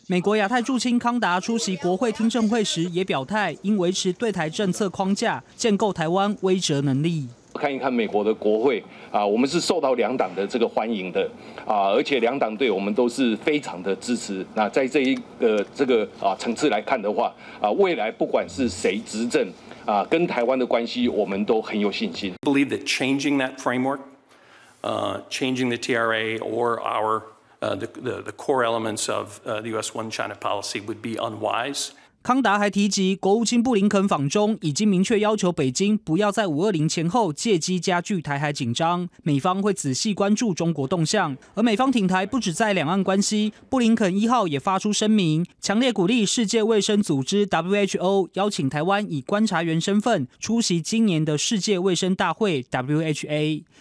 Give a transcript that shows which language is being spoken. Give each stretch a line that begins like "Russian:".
Chinese: 美国亚太驻青康达出席国会听证会时也表态，应维持对台政策框架，建构台湾威慑能力。看一看美国的国会我们是受到两党的这个欢迎的而且两党对我们都是非常的支持。那在这一个这个层次来看的话未来不管是谁执政跟台湾的关系我们都很有信心。
English: Believe that changing that framework, changing the TRA or our the core elements of the U.S. one-China policy would be unwise.
Chinese: 康达还提及，国务卿布林肯访中已经明确要求北京不要在520前后借机加剧台海紧张，美方会仔细关注中国动向。而美方挺台不止在两岸关系，布林肯一号也发出声明，强烈鼓励世界卫生组织 WHO 邀请台湾以观察员身份出席今年的世界卫生大会 WHA。